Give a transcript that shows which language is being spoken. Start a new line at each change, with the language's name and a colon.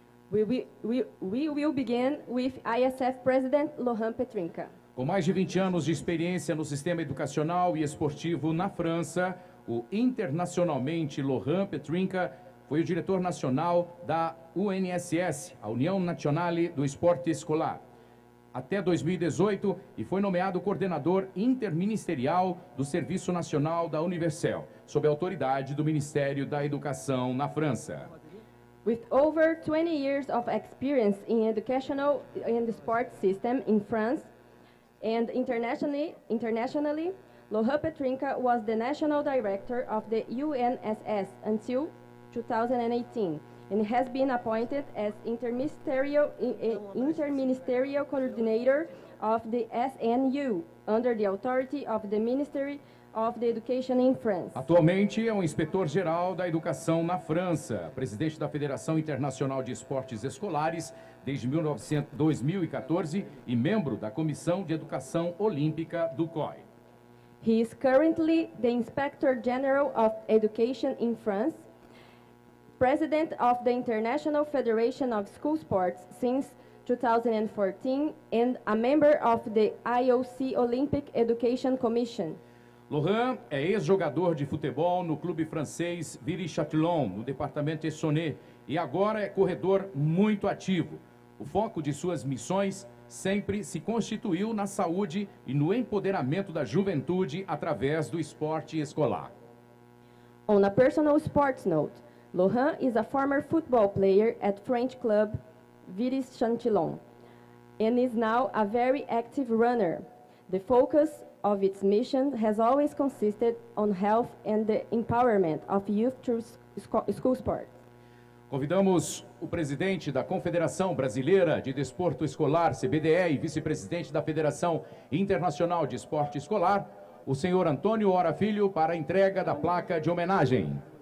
English: We will begin with ISF President Lohan Petrinka.
Portuguese: Com mais de 20 anos de experiência no sistema educacional e esportivo na França, o internacionalmente Lohan Petrinka foi o diretor nacional da UNSS, a União Nacional do Esporte Escolar. até 2018 e foi nomeado coordenador interministerial do Serviço Nacional da Universel, sob a autoridade do Ministério da Educação na França.
English: With over 20 years of experience in educational and sports system in France and internationally, Lohan Petrinca was the national director of the UNSS until 2018 and has been appointed as interministerial coordinator of the SNU under the authority of the Ministry of the Education in France.
Portuguese: Atualmente é um inspetor-geral da educação na França, presidente da Federação Internacional de Esportes Escolares desde 2014 e membro da Comissão de Educação Olímpica do COI.
English: He is currently the Inspector General of Education in France, president of the International Federation of School Sports since 2014 and a member of the IOC Olympic Education Commission.
Portuguese: Lohan é ex-jogador de futebol no clube francês Viry-Châtillon, no departamento Essonne, e agora é corredor muito ativo. O foco de suas missões sempre se constituiu na saúde e no empoderamento da juventude através do esporte escolar.
English: On a personal sports note, Lohan is a former football player at French club Viry-Châtillon and is now a very active runner. The focus of its mission has always consisted on health and the empowerment of youth through school sports.
Portuguese: Convidamos o presidente da Confederação Brasileira de Desporto Escolar, CBDE, e vice-presidente da Federação Internacional de Esporte Escolar, o senhor Antônio Ora Filho, para a entrega da placa de homenagem.